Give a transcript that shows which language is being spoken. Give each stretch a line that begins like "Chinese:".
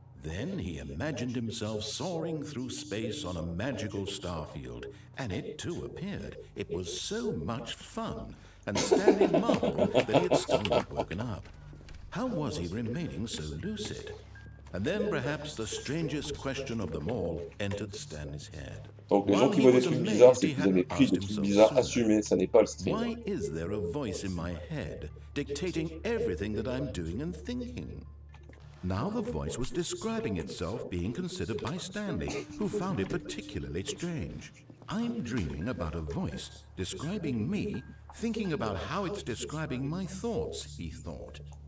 English: Then he imagined himself soaring through space on a magical star field, and it too appeared. It was so much fun, and Stanley marveled that he had stumbled woken up. How was he remaining so lucid? And then perhaps the strangest question of them all entered Stanley's head.
French: Donc les gens qui voient des trucs bizarres, c'est qu'ils avaient pris des trucs bizarres assumés, ça n'est pas le stream.
English: Why is there a voice in my head dictating everything that I'm doing and thinking? Now the voice was describing itself being considered by Stanley, who found it particularly strange. I'm dreaming about a voice describing me, thinking about how it's describing my thoughts, he thought.